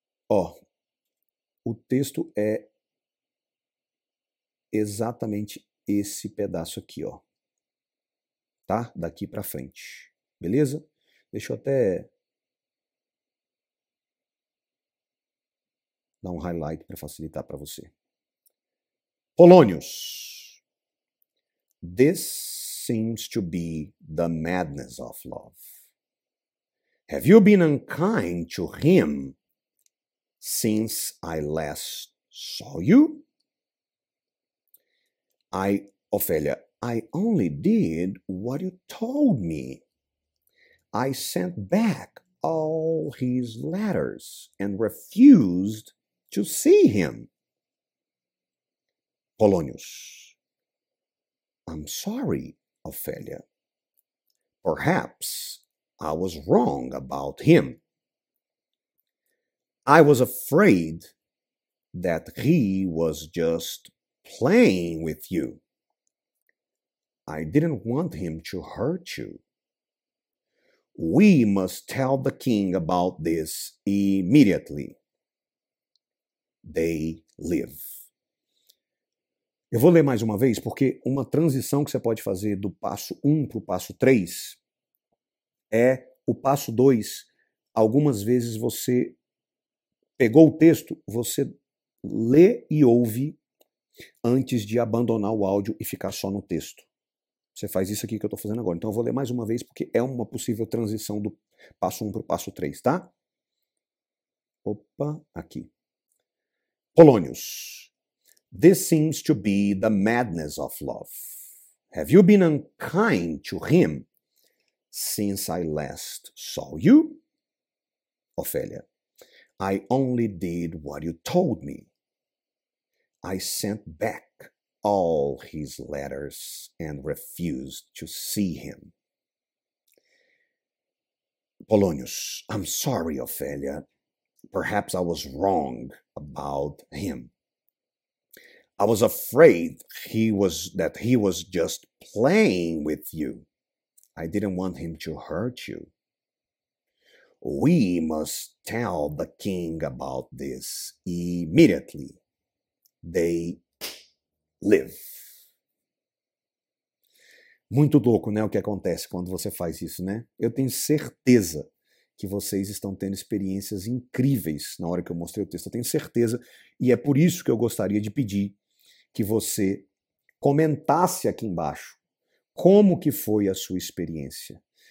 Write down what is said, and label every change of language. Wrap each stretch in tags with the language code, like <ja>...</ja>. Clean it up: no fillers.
<pt>Ó, o texto é exatamente esse pedaço aqui, ó. Tá? Daqui pra frente. Beleza? Deixa eu até dar um highlight pra facilitar pra você.</pt> <en>Polonius. This seems to be the madness of love. Have you been unkind to him since I last saw you? I, Ophelia, I only did what you told me. I sent back all his letters and refused to see him. Polonius. I'm sorry, Ophelia. Perhaps I was wrong about him. I was afraid that he was just playing with you. I didn't want him to hurt you. We must tell the king about this immediately. They live.</en> <pt>Eu vou ler mais uma vez, porque uma transição que você pode fazer do passo 1 para o passo 3 é o passo 2. Algumas vezes você pegou o texto, você lê e ouve antes de abandonar o áudio e ficar só no texto. Você faz isso aqui que eu estou fazendo agora. Então eu vou ler mais uma vez, porque é uma possível transição do passo 1 para o passo 3, tá? Opa, aqui. Polonius.</pt> <en>This seems to be the madness of love. Have you been unkind to him since I last saw you? Ophelia, I only did what you told me. I sent back all his letters and refused to see him. Polonius, I'm sorry, Ophelia. Perhaps I was wrong about him. I was afraid that he was just playing with you. I didn't want him to hurt you. We must tell the king about this immediately. They live.</en> <pt>Muito louco, né, o que acontece quando você faz isso, né? Eu tenho certeza que vocês estão tendo experiências incríveis na hora que eu mostrei o texto. Eu tenho certeza, e é por isso que eu gostaria de pedir que você comentasse aqui embaixo como que foi a sua experiência.</pt>